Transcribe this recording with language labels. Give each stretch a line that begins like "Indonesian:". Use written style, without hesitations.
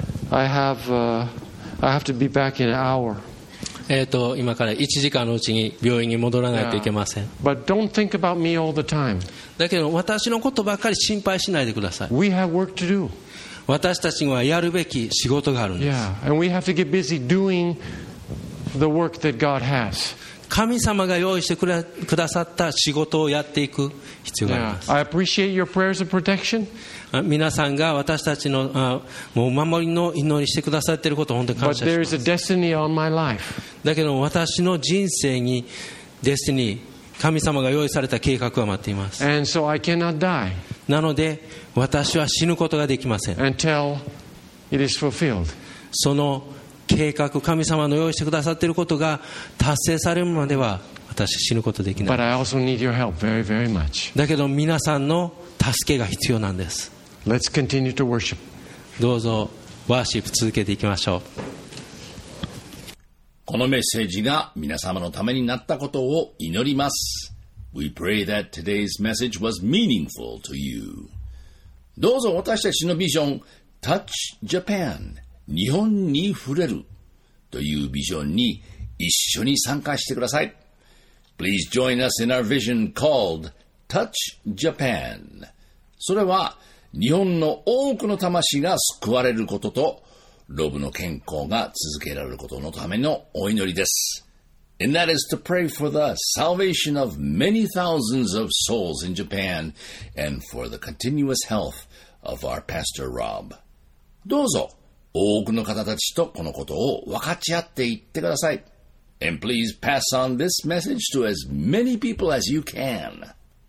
English: I have to be back in an hour.
Japanese: 今から1時間のうちに病院に戻らないといけません。
English: But don't think about me all the time.
Japanese: だけど私のことばっかり心配しないでください。
English: We have work to do.
Japanese: 私たちにはやるべき仕事があるんです。
English: Yeah. And we have to get busy doing the work that God has.
Japanese: 神様が用意してくださった仕事をやっていく必要があります。
English: Yeah. I appreciate your prayers of protection.
Japanese: 皆さんが私たちのもうお守りの祈りしてくださっていることを本当に感謝します。
English: But there is a destiny on my life.
Japanese: だけど私の人生にデスティニー、神様が用意された計画は待っています。
English: And so I cannot die.
Japanese: なので私は死ぬことができません。
English: Until it is fulfilled.
Japanese: その計画、神様の用意してくださっていることが達成されるまでは私死ぬことできない。
English: But I also need your help very, very much.
Japanese: だけど皆さんの助けが必要なんです。
English: Let's continue to worship.
Japanese: どうぞワーシップ続けていきましょう。このメッセージが皆様のためになったことを祈ります。
English: We pray that today's message was meaningful to you.
Japanese: どうぞ私たちのビジョン Touch Japan 日本に触れるというビジョンに一緒に参加してください。
English: Please join us in our vision calledTouch Japan.
Japanese: それは日本の多くの魂が救われることとロブの健康が続けられることのためのお祈りです。
English: And that is to pray for the salvation of many thousands of souls in Japan and for the continuous health of our Pastor Rob.
Japanese: どうぞ多くの方たちとこのことを分かち合っていってください。
English: And please pass on this message to as many people as you can.